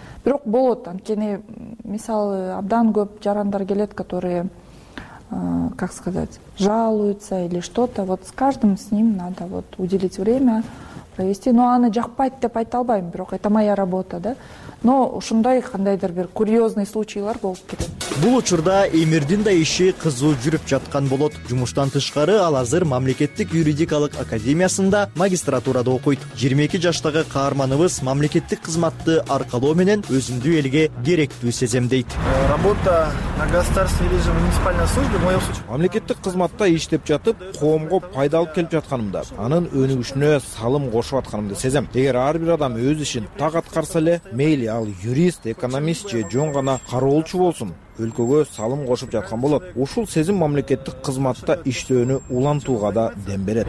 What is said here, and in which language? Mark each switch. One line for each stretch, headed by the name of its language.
Kyrgyz: Бирок болот, анткени мисалы абдан көп жарандар келет, которые как сказать, жалуются или что-то.
Russian: Вот с каждым с ним надо вот уделить время провести.
Kyrgyz: Но аны жакпайт деп айта албайм, бирок это моя работа, да. Но ушундай кандайдыр бир курьезный случайлар болуп келет. Бул учурда Эмирдин да иши кызуу жүрүп жаткан болот. Жумуштан тышкары ал азыр мамлекеттик юридикалык академиясында магистратурада окуйт. 22 жаштагы каарманыбыз мамлекеттик кызматты аркалоо менен өзүмдү элге керектүү сезем дейт.
Russian: Работа на государственной или же муниципальной службе в моем случае.
Kyrgyz: Мамлекеттик кызматта иштеп жатып, коомго пайдалуу келип жатканымда, анын өнүгүшүнө салым кошуп жатканымды сезем. Эгер ар бир адам өз ишин так аткарса эле, мейли ал юрист, экономист же жөн гана кароолчу болсун, өлкөгө салым кошуп жаткан болот. Ушул сезим мамлекеттик кызматта иштөөнү улантууга да дем берет.